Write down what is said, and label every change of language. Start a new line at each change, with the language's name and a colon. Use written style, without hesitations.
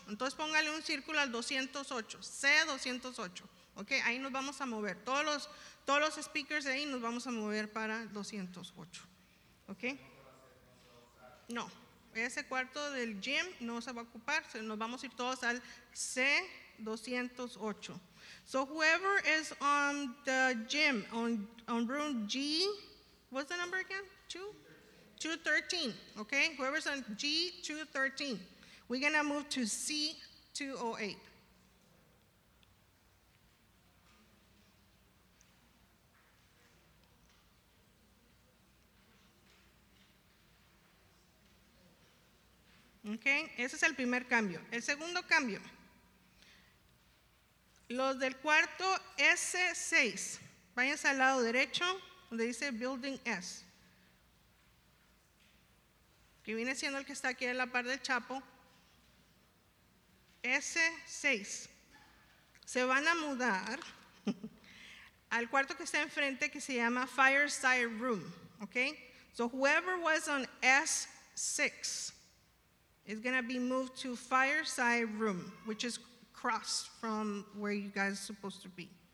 Spanish: Entonces póngale un círculo al 208. C208. Ok, ahí nos vamos a mover. Todos los speakers de ahí nos vamos a mover para 208. ¿Ok? No, ese cuarto del gym no se va a ocupar. Nos vamos a ir todos al C208.
English: So whoever is on the gym, on room G, what's the number again? 213. ¿Ok? Whoever's on G213, we're going to move to C208.
Spanish: Okay, ese es el primer cambio. El segundo cambio, los del cuarto S6, váyanse al lado derecho donde dice Building S, que viene siendo el que está aquí a la par del Chapo. S6, se van a mudar al cuarto que está enfrente, que se llama Fireside Room.
English: Okay, so whoever was on S6 is going to be moved to Fireside Room, which is across from where you guys are supposed to be.